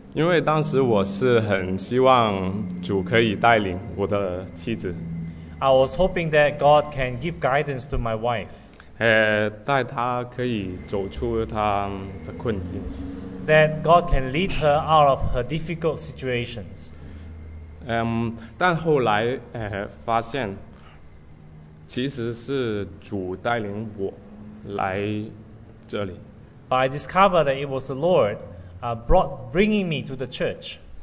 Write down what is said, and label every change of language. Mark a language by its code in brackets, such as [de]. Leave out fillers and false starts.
[zh] 因为当时我是很希望主可以带领我的妻子。 [en] I was hoping that God can give guidance to my wife. [zh] 带她可以走出她的困境。 [en] That God can lead her out of her difficult situations. [zh] 但后来发现，其实是主带领我来这里。 [en] But I discovered that it was the Lord bringing me to the church.